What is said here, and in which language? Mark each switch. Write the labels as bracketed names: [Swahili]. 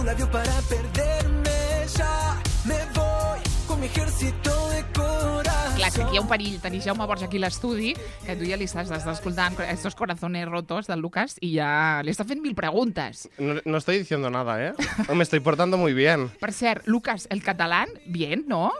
[Spanish] Para perderme ya me voy con mi ejército de corazón. [Catalan] Clar, que aquí hi ha un perill, tenir Jaume Borja aquí a l'estudi, que tu ja li estàs escoltant estos corazones rotos del Lucas i ja li està fent mil preguntes. [Spanish] No, no estoy diciendo nada, ¿eh? Me estoy portando muy bien. [Catalan] Per cert, Lucas, el català, [Spanish] bien, no?